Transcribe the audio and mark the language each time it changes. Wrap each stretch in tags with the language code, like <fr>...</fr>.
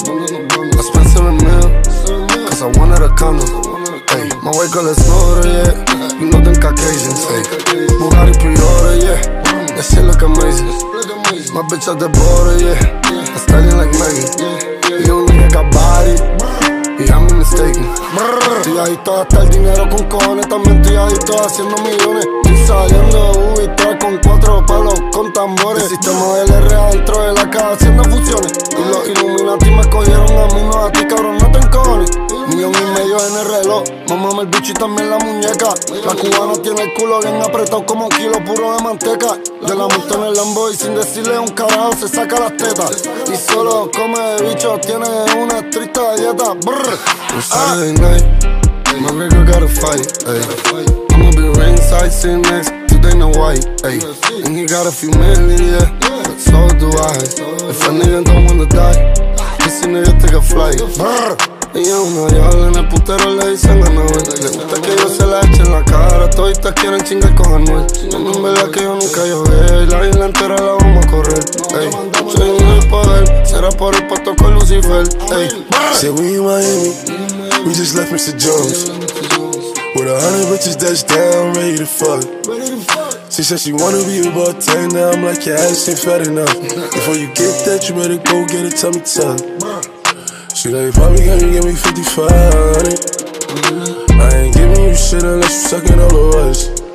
<en>I spent 7 mil, cause I wanted a condo. Ay, my white girl is older, yeah. You know them Caucasians, ay. Bugatti pre-order, yeah. That shit look amazing. My bitch at the border, yeah. I'm styling like Megan. You don't think I got body? Yeah, I'm mistaken.</en> <es>Estoy adicto a gastar dinero con cojones. También estoy adicto a haciendo millones. Y saliendo de Ubi 3 con 4 palos con tambores. El sistema del R adentro de la casa haciendo fusiones. Y los Illuminati me cogieron a mí, no a ti, cabrón, no te encojones. Millón y medio en el reloj. Mámame el bicho y también la muñeca. La cubana tiene el culo bien apretado como un kilo puro de manteca. Yo la monto en el Lambo y sin decirle un carajo se saca las tetas. Y solo come de bicho, tiene una triste dieta.</es> <en>On Saturday night, my nigga gotta fight, ayy. I'ma be ringside sitting next to Dana White, ayy. And he got a few million, yeah, but so do I. If a nigga don't wanna die, this nigga take a flight.</en> <es>Ella es una diabla, en el putero le dicen a Noel. Le gusta que yo se la eche en la cara. Toditas quieren chingar con Anuel. En verdad que yo nunca llogué. La isla entera la vamos a correr. Ey, soy un poder. Será por el pato con Lucifer.</es> <en>Ey, say we in Miami. We just left Mr. Jones. With 100 bitches that's down, ready to fuck. She said she wanna be a bartender. I'm like, your ass ain't fat enough. Before you get that, you better go get a tummy tuck. She like, Bobby, can you give me 5,500? I ain't giving you shit unless you suckin' all of us.</en>